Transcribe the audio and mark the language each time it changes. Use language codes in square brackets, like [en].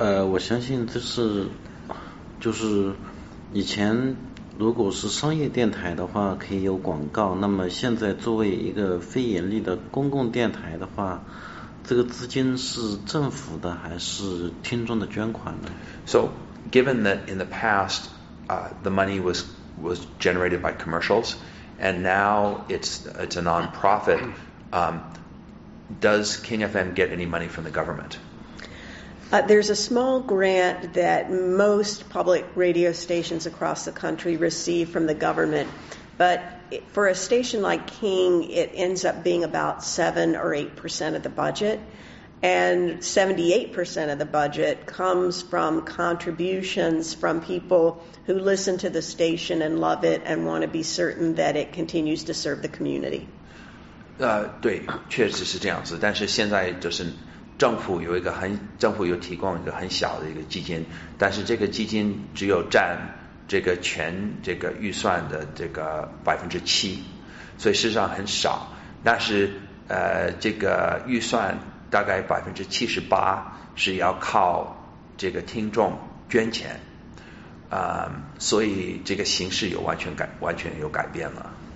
[zh] 我相信就是以前。如果是商业电台的话可以有广告，那么现在作为一个非盈利的公共电台的话，这个资金是政府的还是听众的捐款呢？ [en] So given that in the past the money was generated by commercials and now it's a non-profit, does King FM get any money from the government? There's a small grant that most public radio stations across the country receive from the government, but for a station like King, it ends up being about 7 or 8% of the budget, and 78% of the budget comes from contributions from people who listen to the station and love it and want to be certain that it continues to serve the community. [zh] 对，确实是这样子，但是现在就是政府有提供一个很小的一个基金，但是这个基金只有占这个全这个预算的这个7%，所以事实上很少。但是这个预算大概78%是要靠这个听众捐钱，所以这个形式完全有改变了。